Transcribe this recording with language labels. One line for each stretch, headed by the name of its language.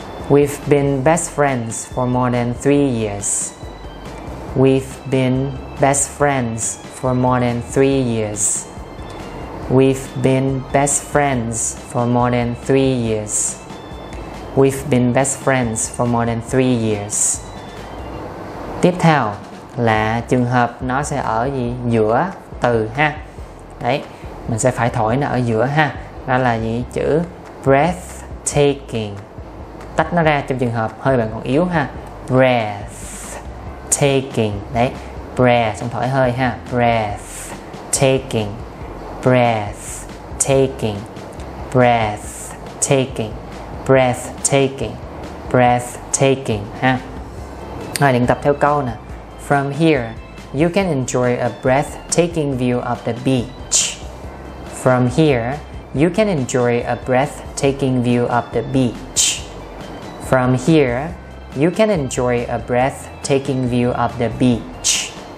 English: We've been best friends for more than 3 years. We've been best friends for more than 3 years. We've been best friends for more than 3 years. We've been best friends for more than 3 years.
Vietnamese: Tiếp theo là trường hợp nó sẽ ở gì? Giữa từ ha. Đấy, mình sẽ phải thổi nó ở giữa ha. Đó là gì? Chữ breathtaking. Tách nó ra trong trường hợp hơi bạn còn yếu ha. Breathtaking. Đấy, breath, xong thổi hơi ha.
English: Breathtaking. Breath taking, breath taking, breath taking, breath taking. Ha.
Vietnamese: Rồi luyện tập theo câu nè.
English: From here, you can enjoy a breathtaking view of the beach. From here, you can enjoy a breathtaking view of the beach. From here, You can enjoy a breathtaking view of the beach.